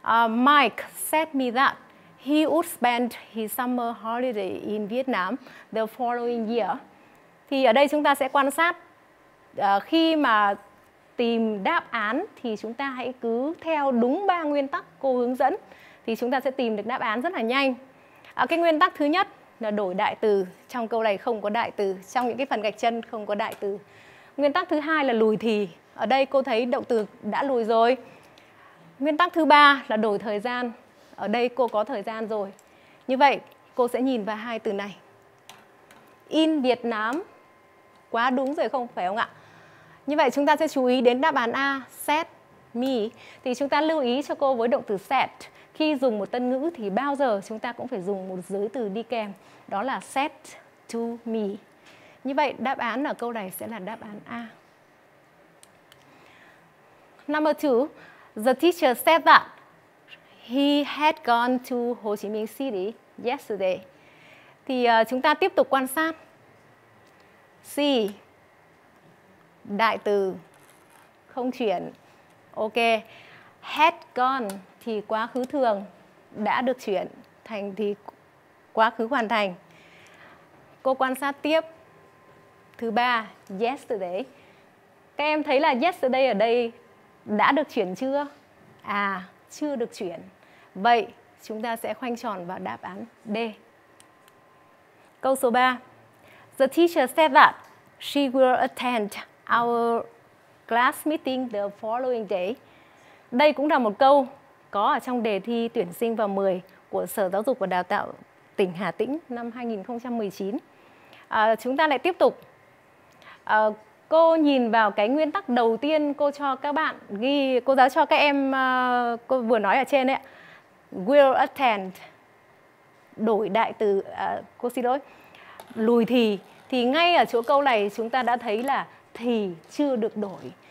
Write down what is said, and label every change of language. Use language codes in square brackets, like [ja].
[en] Mike said me that he would spend his summer holiday in Vietnam the following year. [vi] Thì ở đây chúng ta sẽ quan sát. Khi mà tìm đáp án thì chúng ta hãy cứ theo đúng ba nguyên tắc cô hướng dẫn thì chúng ta sẽ tìm được đáp án rất là nhanh. Cái nguyên tắc thứ nhất là đổi đại từ. Trong câu này không có đại từ, trong những cái phần gạch chân không có đại từ. Nguyên tắc thứ hai là lùi thì. Ở đây cô thấy động từ đã lùi rồi. Nguyên tắc thứ ba là đổi thời gian. Ở đây cô có thời gian rồi. Như vậy cô sẽ nhìn vào hai từ này. [en] In Vietnam, [vi] quá đúng rồi không, phải không ạ? Như vậy chúng ta sẽ chú ý đến đáp án A, set me. Thì chúng ta lưu ý cho cô với động từ set. Khi dùng một tân ngữ thì bao giờ chúng ta cũng phải dùng một giới từ đi kèm. Đó là set to me. Như vậy đáp án ở câu này sẽ là đáp án A. [en] Number 2. The teacher said that he had gone to Ho Chi Minh City yesterday. [vi] Thì chúng ta tiếp tục quan sát. C, đại từ, không chuyển. Ok, had gone thì quá khứ thường, đã được chuyển thành thì quá khứ hoàn thành. Cô quan sát tiếp. Thứ ba, yesterday. Các em thấy là yesterday ở đây đã được chuyển chưa? À, chưa được chuyển. Vậy, chúng ta sẽ khoanh tròn vào đáp án D. Câu số 3. [en] The teacher said that she will attend our class meeting the following day. [vi] Đây cũng là một câu có ở trong đề thi tuyển sinh vào 10 của Sở Giáo dục và Đào tạo tỉnh Hà Tĩnh năm 2019. Chúng ta lại tiếp tục. cô nhìn vào cái nguyên tắc đầu tiên cô cho các bạn ghi, cô giáo cho các em, cô vừa nói ở trên đấy, will attend, đổi đại từ, cô xin lỗi, lùi thì ngay ở chỗ câu này chúng ta đã thấy là thì chưa được đổi.